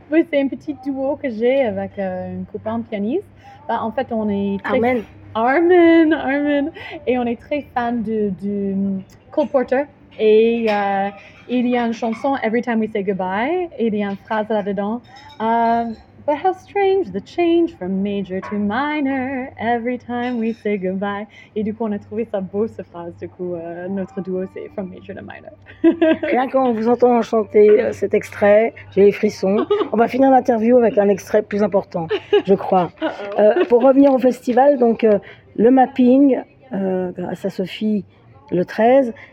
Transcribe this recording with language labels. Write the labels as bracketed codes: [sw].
[fr] Oui, c'est un petit duo que j'ai avec une copain pianiste. En fait, on est très... Armin. Et on est très fan de Cole Porter. Et il y a une chanson, Every Time We Say Goodbye, et il y a une phrase là-dedans. [en] But how strange the change from major to minor every time we say goodbye. [fr] Et du coup, on a trouvé ça beau, cette phrase. Du coup, notre duo, c'est from major to minor. Rien qu'en vous entendant chanter cet extrait, j'ai les frissons. On va finir l'interview avec un extrait plus important, je crois. Pour revenir au festival, donc le mapping, grâce à Sophie, le 13.